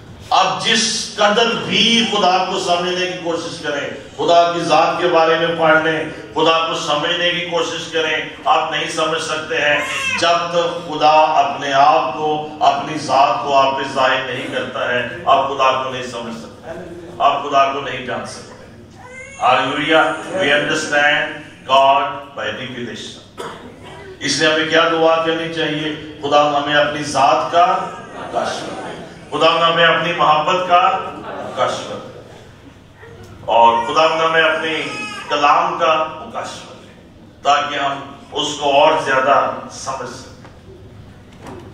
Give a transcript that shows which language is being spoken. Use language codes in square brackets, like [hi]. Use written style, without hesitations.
[ur] اب جس قدر بھی خدا کو سمجھنے کی کوشش کریں، خدا کی ذات کے بارے میں پڑھ لیں، خدا کو سمجھنے کی کوشش کریں، آپ نہیں سمجھ سکتے ہیں جب تک خدا اپنے آپ کو، اپنی ذات کو آپ پہ ظاہر نہیں کرتا ہے، آپ خدا کو نہیں سمجھ سکتے، آپ خدا کو نہیں جان سکتے. [en] We understand God by revelation. [ur] اس لیے ہمیں کیا دعا کرنی چاہیے؟ خدا ہمیں اپنی ذات کا کشف، خدا ہمیں اپنی محبت کا کشف، اور خدا ہمیں اپنی کلام کا کشف، تاکہ ہم اس کو اور زیادہ سمجھ سکیں.